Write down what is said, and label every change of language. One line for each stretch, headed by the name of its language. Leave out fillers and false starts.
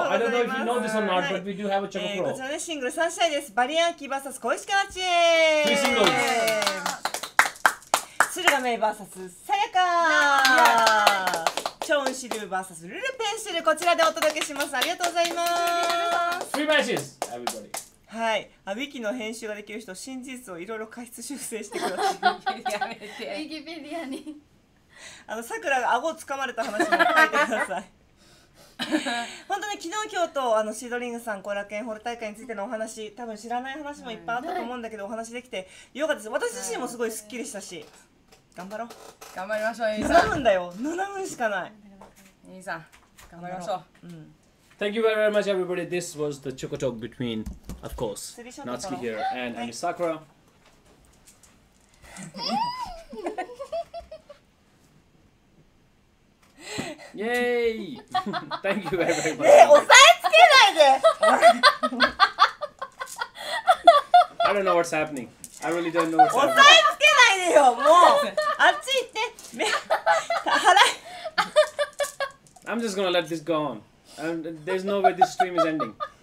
English: I don't know if you know this or not, but we do have a Choco Pro.
Japanese: こちらねシングル3試合です。バリアンキー VS 小石川知恵3シングルです。鶴亀 VS さやかショーンシルバーサスルルペンシル、こちらでお届けします。ありがとうございます。
English: Three matches, everybody.
Japanese: はい、ウィキの編集ができる人、真実をいろいろ過失修正してください。やめて、ウィキペディアにあのさくらが顎を掴まれた話も書いてください。本当に昨日今日とあのシードリングさん後楽園ホール大会についてのお話、多分知らない話もいっぱいあったと思うんだけど、お話できてよかったです。私自身もすごいスッキリしたし、頑張ろう。頑張りましょう、兄さん。7分だよ、7分しかない。兄さん、頑張りましょう。
English: Thank you very much, everybody. This was the Choco Talk between, of course, Natsuki here and Ami Sakura. Yay! Thank you very much.
Japanese: ねえ、押さえつけないで。
English: I don't know what's happening. I really don't know what's happening.
Japanese: もうあっち行って目払い。
English: I'm just gonna let this go on. And there's no way this stream is ending.